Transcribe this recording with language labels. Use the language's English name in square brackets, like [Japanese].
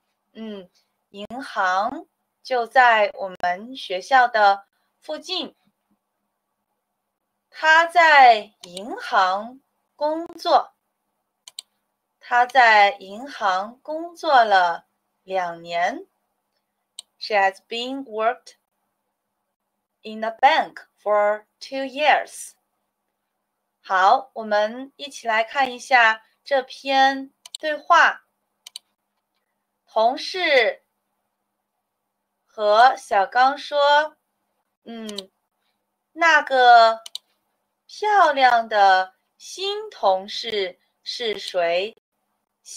[Chinese] 银行就在我们学校的附近。他在银行工作，他在银行工作了2年。 [English] She has been worked in the bank for 2 years。 [Chinese] 好，我们一起来看一下这篇对话。同事和小刚说："那个漂亮的新同事是谁？"